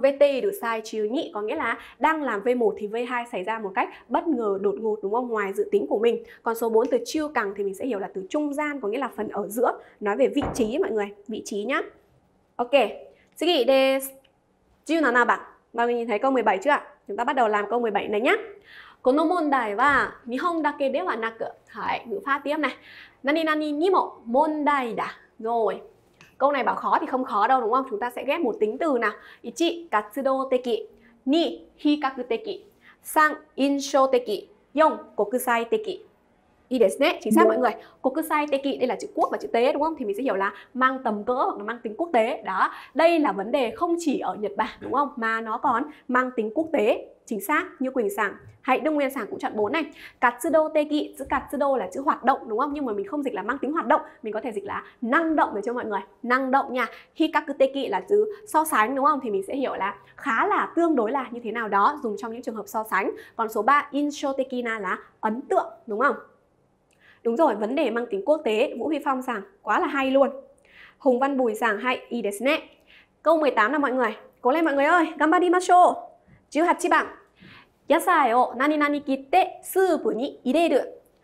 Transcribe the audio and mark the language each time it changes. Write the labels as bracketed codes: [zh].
[vi] VT được sai chứ nhị có nghĩa là đang làm V1 thì V2 xảy ra một cách bất ngờ đột ngột, đúng không? Ngoài dự tính của mình. Còn số 4 từ chiêu càng thì mình sẽ hiểu là từ trung gian, có nghĩa là phần ở giữa, nói về vị trí mọi người, vị trí nhá. [ja] Ok. 次 です.17 番. [vi] Mọi người nhìn thấy câu 17 chưa ạ? Chúng ta bắt đầu làm câu 17 này nhá. [ja] この問題は日本だけではなく、はい、 [vi] ngữ pháp tiếp này. [ja] 何々にも問題だ. [vi] Rồi. Câu này bảo khó thì không khó đâu đúng không? Chúng ta sẽ ghép một tính từ nào. [ja] 1. 活動的 2. 比較的 3. 印象的 4. 国際的 Y ですね? [vi] Chính xác mọi người. 国際的 đây là chữ quốc và chữ tế đúng không? Thì mình sẽ hiểu là mang tầm cỡ hoặc là mang tính quốc tế. Đó, đây là vấn đề không chỉ ở Nhật Bản đúng không? Mà nó còn mang tính quốc tế. Chính xác, như Quỳnh Sảng. Hãy Đông Nguyên Sảng cũng chọn 4 này. Katsudo teki, chữ katsudo là chữ hoạt động đúng không? Nhưng mà mình không dịch là mang tính hoạt động, mình có thể dịch là năng động để cho mọi người. Năng động nha. Hikaku teki là chữ so sánh đúng không? Thì mình sẽ hiểu là khá là tương đối là như thế nào đó, dùng trong những trường hợp so sánh. Còn số 3, insho teki na là ấn tượng đúng không? Đúng rồi, vấn đề mang tính quốc tế, Vũ Huy Phong Sảng quá là hay luôn. Hùng Văn Bùi Sảng hay i desu ne. Câu 18 là mọi người, cố lên mọi người ơi, [ja] gambarimasho. 18 番野菜を何々切ってスープに入れる。